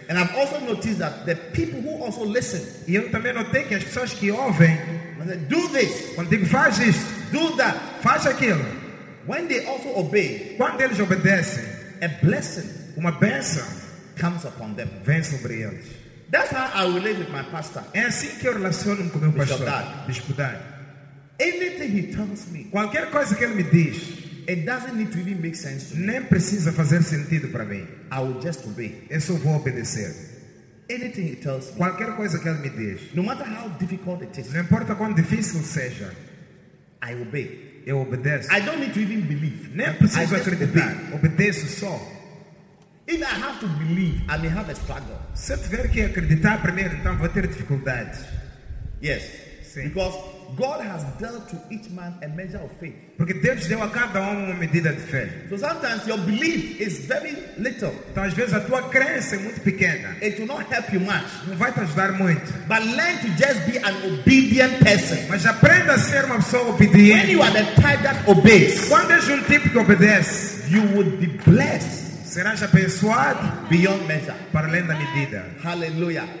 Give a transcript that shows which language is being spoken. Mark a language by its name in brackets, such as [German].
[English] And I've also noticed that the people who also listen, [Portuguese] e eu também notei que as pessoas que ouvem, [English] when they do this, [Portuguese] quando digo faz isto, [English] do that, [Portuguese] faz aquilo, [English] when they also obey, [Portuguese] quando eles obedecem, [English] a blessing, [Portuguese] uma bênção, [English] comes upon them, [Portuguese] vem sobre eles. [English] That's how I relate with my pastor. [Portuguese] É assim que eu relaciono com meu pastor. [English] Bispo Dad. Anything he tells me, [Portuguese] qualquer coisa que ele me diz, [English] it doesn't need to even make sense to [Portuguese] nem [English] me. [Portuguese] Precisa fazer sentido para mim. [English] I will just obey. [Portuguese] Eu só vou obedecer. [English] Anything he tells me, [Portuguese] qualquer coisa que ele me diz, [English] no matter how difficult it is, [Portuguese] não importa quão difícil seja, [English] I obey. [Portuguese] Eu obedeço. [English] I don't need to even believe. [Portuguese] Nem preciso acreditar. Obedeço só. [English] If I have to believe, I may have a struggle. [Portuguese] Se tiver que acreditar primeiro, então vou ter dificuldade. [English] Yes. [Portuguese] Sim. [English] Because God has dealt to each man a measure of faith. [Portuguese] Porque Deus deu a cada uma medida de fé. [English] So sometimes your belief is very little. [Portuguese] Então às vezes a tua crença é muito pequena. [English] It will not help you much. [Portuguese] Não vai te ajudar muito. [English] But learn to just be an obedient person. [Portuguese] Mas aprenda a ser uma pessoa obediente. [English] When you are the type that obeys, [Portuguese] quando és tipo que obedece, [English] you would be blessed. [Portuguese] Serás abençoado [English] beyond measure, [Portuguese] para além da medida. [English] Hallelujah.